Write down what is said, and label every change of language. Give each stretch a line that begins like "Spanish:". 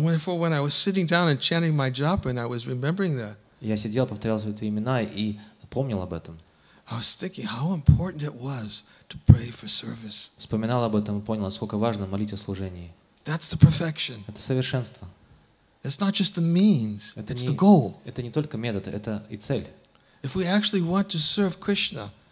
English: And therefore, when I was sitting down and chanting my japa, and I was remembering that.
Russian: Я сидел, повторял свои имена и помнил об этом.
English: I was thinking how important it was to pray for service.
Russian: Вспоминал об этом и понял, насколько важно молить о служении.
English: That's the perfection.
Russian: Это совершенство.
English: It's not just the means. It's the goal.
Russian: Это не только метод, это и цель.
English: If we actually want to serve Krishna,